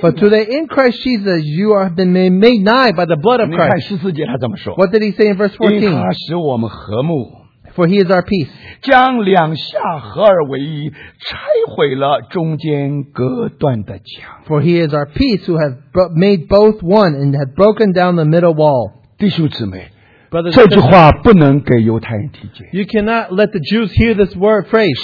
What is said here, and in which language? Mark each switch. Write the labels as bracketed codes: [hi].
[en] But today in Christ Jesus you are been made nigh by the blood of Christ. [zh] 你看十四节他怎么说。 [en] What did he say in verse 14? [zh] 因他使我们和睦。 [en] For he is our peace. [zh] 将两下合而为一，拆毁了中间隔断的墙。 [en] For he is our peace, who have made both one and have broken down the middle wall. [zh] 弟兄姊妹， [en] Brothers, [zh] 这句话不能给犹太人听见。 [en] You cannot let the Jews hear this word phrase.